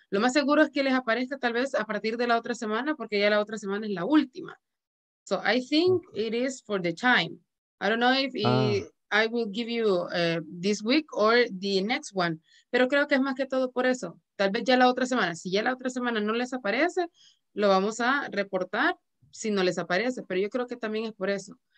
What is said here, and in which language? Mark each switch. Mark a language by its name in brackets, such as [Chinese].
[Spanish] Lo más seguro es que les aparezca tal vez a partir de la otra semana, porque ya la otra semana es la última. [English] So I think it is for the time. I don't know if I will give you this week or the next one. [Spanish] Pero creo que es más que todo por eso. Tal vez ya la otra semana. Si ya la otra semana no les aparece, lo vamos a reportar si no les aparece. Pero yo creo que también es por eso.